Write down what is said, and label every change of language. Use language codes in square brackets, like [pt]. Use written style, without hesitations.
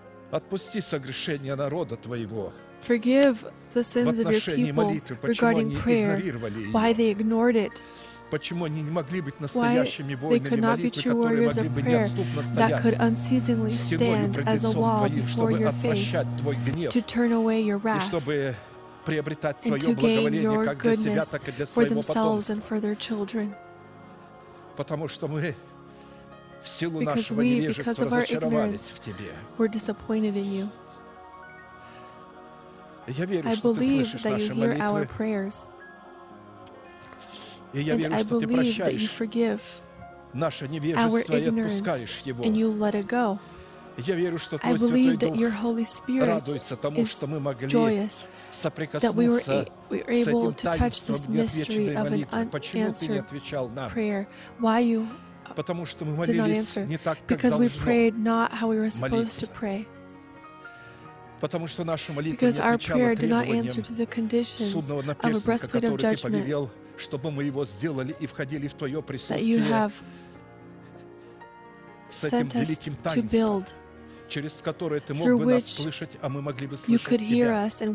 [ru] Отпусти согрешения народа Твоего. [en] Forgive the sins of your people regarding prayer, why they ignored it, why they could not be true warriors of prayer that could unceasingly stand as a wall before your face to turn away your wrath and to gain your goodness for themselves and for their children. Because we, because of our ignorance, were disappointed in you. I believe that you hear our prayers. And I believe that you forgive our ignorance and you let it go. I believe that your Holy Spirit is joyous that we were able to touch this mystery of an unanswered prayer. Why you did not answer? Because we prayed not how we were supposed to pray. [ru] Потому что наша молитва не отвечала требованиям судного наперстника, который Ты повелел, чтобы мы его сделали и входили в Твое присутствие с этим великим таинством, через которое Ты мог бы нас слышать, а мы могли бы слышать Тебя.